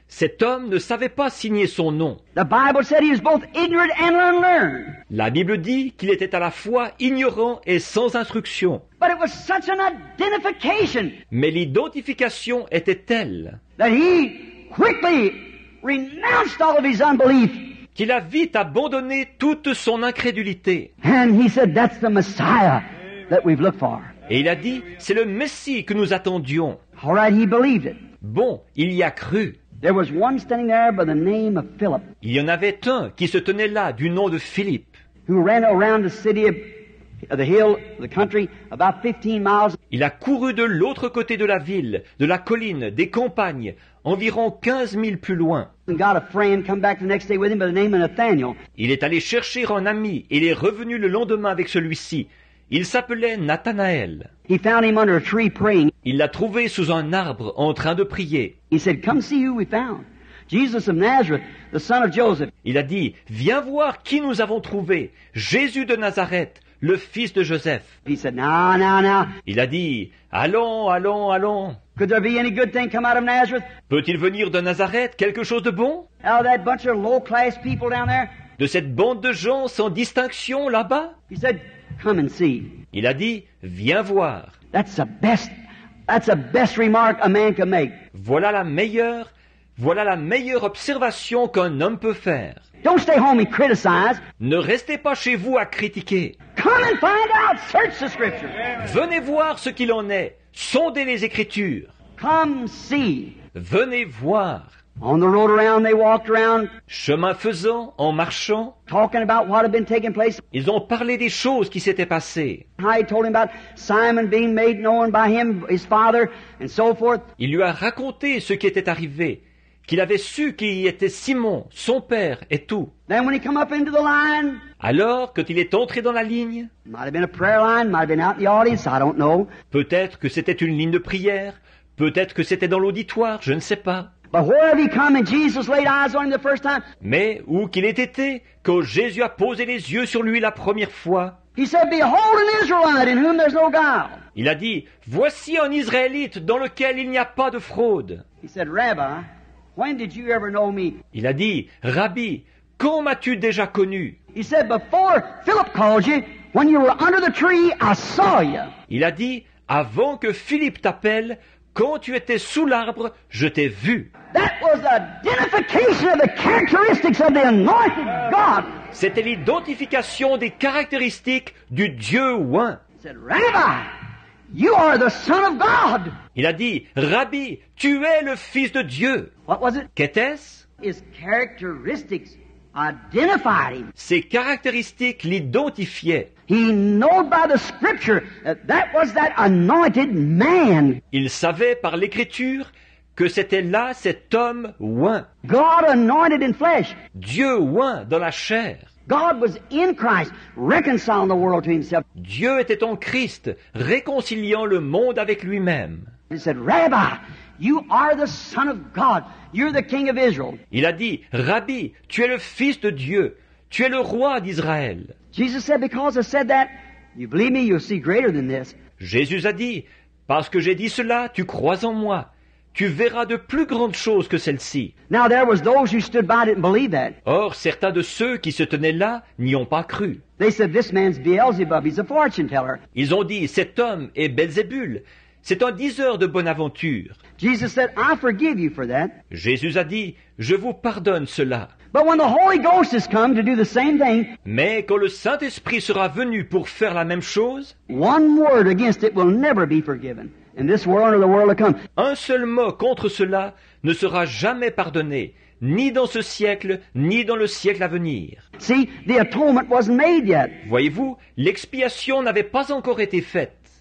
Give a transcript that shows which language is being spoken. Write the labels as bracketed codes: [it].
[fr] Cet homme ne savait pas signer son nom. [en] The Bible said he was both ignorant and unlearned. [fr] La Bible dit qu'il était à la fois ignorant et sans instruction. [en] But it was such an identification. [fr] Mais l'identification était telle. [en] That he quickly renounced all of his unbelief. [fr] Qu'il a vite abandonné toute son incrédulité. [en] And he said, that's the Messiah that we've looked for. [fr] Et il a dit, c'est le Messie que nous attendions. [en] All right, he believed it. [fr] Bon, il y a cru. [en] There was one standing there by the name of Philip. [fr] Il y en avait un qui se tenait là du nom de Philippe. [en] Who ran around the city of the hill, the country, about 15 miles. [fr] Il a couru de l'autre côté de la ville, de la colline, des campagnes, environ 15 miles plus loin. [en] And got a friend come back the next day with him by the name of Nathaniel. [fr] Il est allé chercher un ami et il est revenu le lendemain avec celui-ci. Il s'appelait Nathanaël. [en] He found him under a tree praying. [fr] Il l'a trouvé sous un arbre en train de prier. [en] He said, "Come see who we found, Jesus of Nazareth, the son of Joseph." [fr] Il a dit, "Viens voir qui nous avons trouvé, Jésus de Nazareth, le fils de Joseph." [en] He said, "No." [fr] Il a dit, "Allons." [en] Could there be any good thing come out of Nazareth? [fr] Peut-il venir de Nazareth quelque chose de bon? [en] Oh, that bunch of low-class people down there. [fr] De cette bande de gens sans distinction là-bas? [en] He said, "Come and see." [fr] Il a dit, "Viens voir." [en] That's the best remark a man can make. [fr] Voilà la meilleure observation qu'un homme peut faire. [en] Don't stay home and criticize. [fr] Ne restez pas chez vous à critiquer. [en] Come and find out. Search the scripture. [fr] Venez voir ce qu'il en est. Sondez les Écritures. [en] Come see. [fr] Venez voir. [en] On the road around, they walked around. [fr] Chemin faisant, en marchant. [en] Talking about what had been taking place. [fr] Ils ont parlé des choses qui s'étaient passées. [en] I told him about Simon being made known by him, his father, and so forth. [fr] Il lui a raconté ce qui était arrivé, qu'il avait su qu'il était Simon, son père, et tout. [en] Then when he come up into the line. [fr] Alors, quand il est entré dans la ligne. [en] Might have been a prayer line, might have been out in the audience, I don't know. [fr] Peut-être que c'était une ligne de prière, peut-être que c'était dans l'auditoire, je ne sais pas. [en] But where have he come and Jesus laid eyes on him the first time? [fr] Mais où qu'il ait été, quand Jésus a posé les yeux sur lui la première fois. [en] He said, "Behold an Israelite in whom there's no guile." [fr] Il a dit, voici un Israélite dans lequel il n'y a pas de fraude. [en] He said, "Rabbi, when did you ever know me?" [fr] Il a dit, Rabbi, quand m'as-tu déjà connu? [en] He said, "Before Philip called you, when you were under the tree, I saw you." [fr] Il a dit, avant que Philippe t'appelle, quand tu étais sous l'arbre, je t'ai vu. [en] That was identification of the characteristics of the anointed God. [fr] C'était l'identification des caractéristiques du Dieu oint. [en] He said, "Rabbi, you are the son of God." [fr] Il a dit, Rabbi, tu es le fils de Dieu. [en] What was it? [fr] Qu'était-ce? [en] His characteristics identified him. [fr] Ses caractéristiques l'identifiaient. [en] He knew by the scripture that that was that anointed man. [fr] Il savait par l'écriture que c'était là cet homme oint. [en] God anointed in flesh. [fr] Dieu oint dans la chair. [en] God was in Christ, reconciling the world to himself. [fr] Dieu était en Christ, réconciliant le monde avec lui-même. [en] He said, "Rabbi, you are the son of God. You're the king of Israel." [fr] Il a dit, Rabbi, tu es le fils de Dieu. Tu es le roi d'Israël. [en] Jesus said, "Because I said that, you believe me, you'll see greater than this." [fr] Jésus a dit, parce que j'ai dit cela, tu crois en moi. Tu verras de plus grandes choses que celles-ci. [en] Now there was those who stood by didn't believe that. [fr] Or, certains de ceux qui se tenaient là n'y ont pas cru. [en] They said, "This man's Beelzebub, he's a fortune teller." [fr] Ils ont dit, cet homme est Belzébul. C'est un diseur de bonne aventure. [en] Jesus said, "I forgive you for that." [fr] Jésus a dit, je vous pardonne cela. [en] But when the Holy Ghost has come to do the same thing, [fr] mais quand le Saint-Esprit sera venu pour faire la même chose, [en] one word against it will never be forgiven in this world or the world to come. [fr] Un seul mot contre cela ne sera jamais pardonné, ni dans ce siècle, ni dans le siècle à venir. [en] See, the atonement wasn't made yet. [fr] Voyez-vous, l'expiation n'avait pas encore été faite.